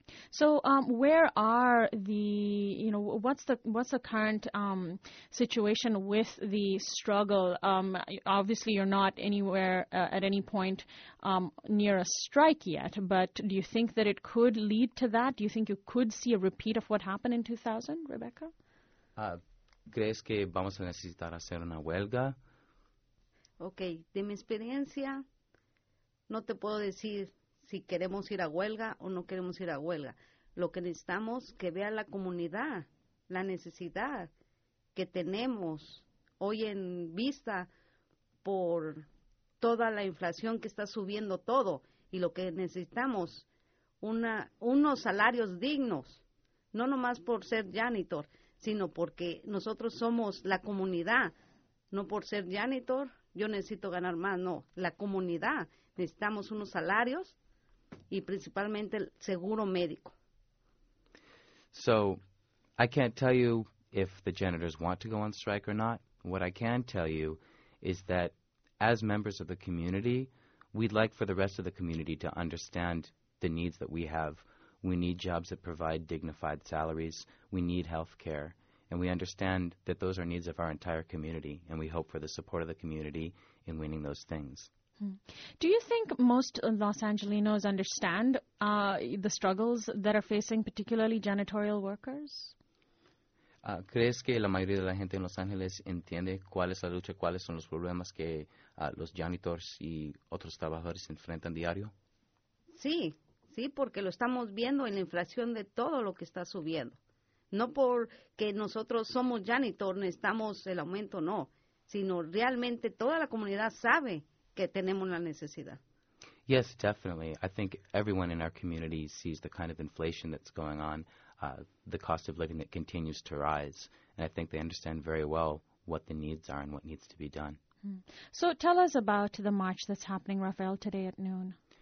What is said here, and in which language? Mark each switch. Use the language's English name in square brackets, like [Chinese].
[English] So where are the, you know, what's the current situation with the struggle? Obviously, you're not anywhere at any point near a strike yet, but do you think that it could lead to that? Do you think you could see a repeat of what happened in 2000, Rebecca? [Spanish] ¿Crees que vamos a necesitar hacer una huelga? Okay, de mi experiencia, no te puedo decir si queremos ir a huelga o no queremos ir a huelga. Lo que necesitamos es que vea la comunidad, la necesidad que tenemos hoy en vista por toda la inflación que está subiendo todo. Y lo que necesitamos, unos salarios dignos, no nomás por ser janitor, sino porque nosotros somos la comunidad, no por ser janitor, yo necesito ganar más, no, la comunidad, necesitamos unos salarios y principalmente el seguro médico. [English] So, I can't tell you if the janitors want to go on strike or not. What I can tell you is that as members of the community, we'd like for the rest of the community to understand the needs that we have. We need jobs that provide dignified salaries. We need health care. And we understand that those are needs of our entire community, and we hope for the support of the community in winning those things. Do you think most Los Angelenos understand the struggles that are facing, particularly janitorial workers? [Spanish] ¿Crees que la mayoría de la gente en Los Ángeles entiende cuál es la lucha, cuáles son los problemas que los janitors y otros trabajadores enfrentan diario? Sí. Sí, porque lo estamos viendo en la inflación de todo lo que está subiendo. No porque nosotros somos janitor, necesitamos el aumento, no. Sino realmente toda la comunidad sabe que tenemos la necesidad. [English] Yes, definitely. I think everyone in our community sees the kind of inflation that's going on, the cost of living that continues to rise. And I think they understand very well what the needs are and what needs to be done. So tell us about the march that's happening, Rafael, today at noon.